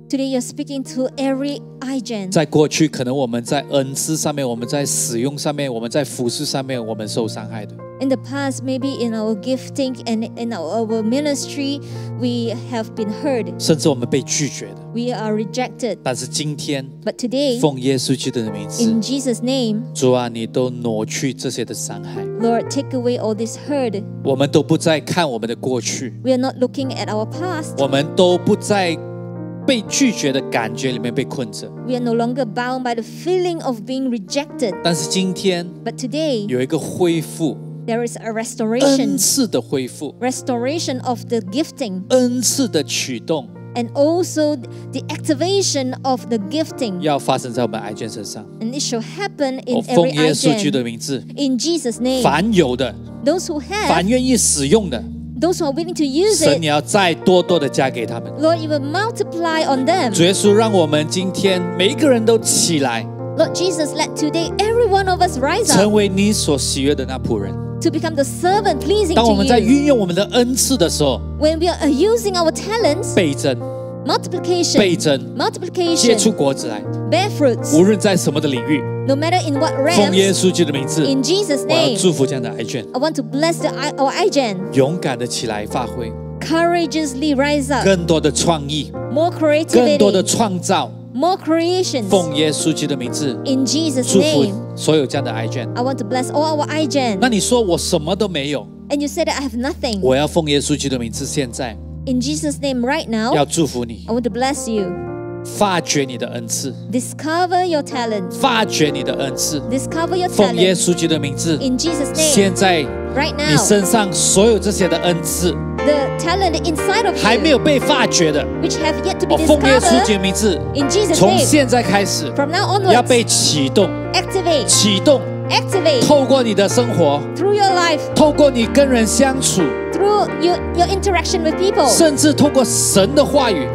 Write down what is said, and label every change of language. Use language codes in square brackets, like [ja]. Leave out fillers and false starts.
[en] Today you're speaking to every iGen. [zh] 在过去，可能我们在恩赐上面，我们在使用上面，我们在服事上面，我们受伤害的。 [en] In the past, maybe in our gifting and in our ministry, we have been hurt. [zh] 甚至我们被拒绝的。 [en] We are rejected. [zh] 但是今天 [en] ，But today, [zh] 奉耶稣基督的名字 [en] ，In Jesus' name, [zh] 主啊，你都挪去这些的伤害。 [en] Lord, take away all this hurt. [zh] 我们都不再看我们的过去。 [en] We are not looking at our past. [zh] 我们都不再。被拒绝的感觉里面被困着。 [en] We are no longer bound by the feeling of being rejected. [zh] 但是今天 [en] ，But today [zh] 有一个恢复 [en] ，There is a restoration. [zh] 恩赐的恢复 [en] ，Restoration of the gifting. [zh] 恩赐的启动 [en] ，And also the activation of the gifting. [zh] 要发生在我们爱眷身上。 [en] And it shall happen in every [zh] iGen. 奉耶稣基督的名字 [en] ，In Jesus' name. [zh] 凡有的 [en] ，Those who have. [zh] 凡愿意使用的。 [en] Those who are willing to use it, [zh] 神，你要再多多的加给他们。 [en] Lord, you will multiply on them. [zh] 主耶稣，让我们今天每一个人都起来。 [en] Lord Jesus, let today every one of us rise up. [zh] 成为你所喜悦的那仆人。 [en] To become the servant pleasing to you. [zh] 当我们在运用我们的恩赐的时候 [en] ，When we are using our talents, [zh] 倍增 [en] ，multiplication, [zh] 倍增 [en] ，multiplication, [zh] 结出果子来 [en] ，bear fruits. [zh] 无论在什么的领域。 [en] No matter in what realm, [zh] 奉耶稣基督的名字 [en] ，In Jesus' name, [zh] 我要祝福这样的iGen. [en] I want to bless the our iGen. [zh] 勇敢的起来发挥 [en] ，Courageously rise up. [zh] 更多的创意 [en] ，More creativity. [zh] 更多的创造 [en] ，More creations. [zh] 奉耶稣基督的名字 [en] ，In Jesus' name, [zh] 祝福所有这样的iGen. [en] I want to bless all our iGen. [zh] 那你说我什么都没有 [en] ，And you said I have nothing. [zh] 我要奉耶稣基督的名字现在 [en] ，In Jesus' name, right now. [zh] 要祝福你 [en] ，I want to bless you. [zh] 发掘你的恩赐 [en] Discover your talent [zh] 发掘你的恩赐 [en] Discover your talent [zh] 奉耶稣基督的名字 [en] In Jesus' name [zh] 现在 [en] Right now [zh] 你身上所有这些的恩赐 [en] The talent inside of you [zh] 还没有被发掘的 [en] Which have yet to be discovered [zh] 奉耶稣基督的名字 [en] In Jesus' name [zh] 从现在开始 [en] From now onwards [zh] 要被启动 [en] Activate [zh] 启动 [en] Activate [zh] 透过你的生活 [en] Through your life [zh] 透过你跟人相处 [en] Through your interaction with people, [zh] 甚至透过神的话语